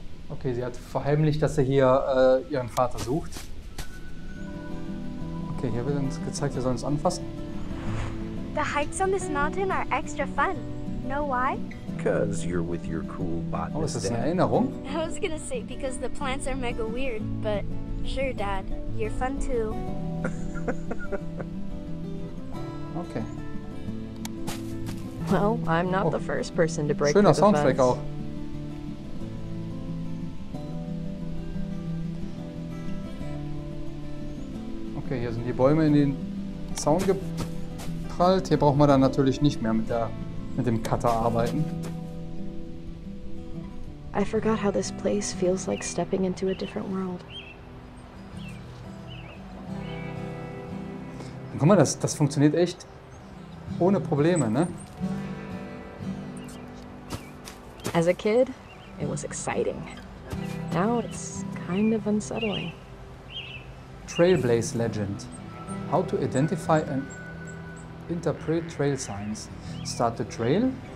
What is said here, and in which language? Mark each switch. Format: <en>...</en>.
<de>Okay, sie hat verheimlicht, dass sie hier ihren Vater sucht. Okay, hier wird uns gezeigt, wir sollen es anfassen.</de> <en>The hikes on this mountain are extra fun. Know why? Because you're with your cool botanist.</en> <de>Oh, ist das eine Erinnerung?</de> <en>I was gonna say because the plants are mega weird, but sure, Dad, you're fun too. Okay. Well, I'm not the first person to break.</en> <de>Schöner Soundtrack auch. Okay, hier sind die Bäume in den Zaun geprallt. Hier brauchen wir dann natürlich nicht mehr mit dem Cutter arbeiten.</de> <en>I forgot how this place feels like stepping into a different world.</en> <de>Guck mal, das funktioniert echt ohne Probleme, ne?</de> <en>As a kid, it was exciting. Now it's kind of unsettling. Trailblaze Legend. How to identify and interpret trail signs. Start the trail.</en>